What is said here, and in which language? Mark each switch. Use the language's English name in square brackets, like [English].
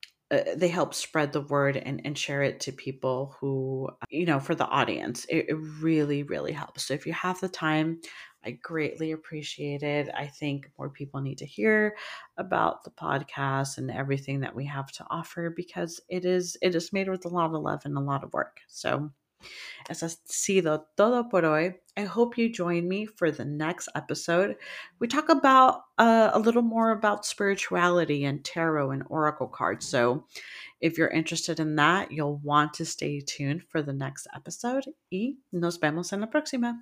[English] They help spread the word and share it to people who, you know, for the audience. It really, really helps. So if you have the time, I greatly appreciate it. I think more people need to hear about the podcast and everything that we have to offer because it is made with a lot of love and a lot of work. [Spanish] So eso ha sido todo por hoy. [English] I hope you join me for the next episode. We talk about a little more about spirituality and tarot and oracle cards. So if you're interested in that, you'll want to stay tuned for the next episode. [Spanish] Y nos vemos en la próxima.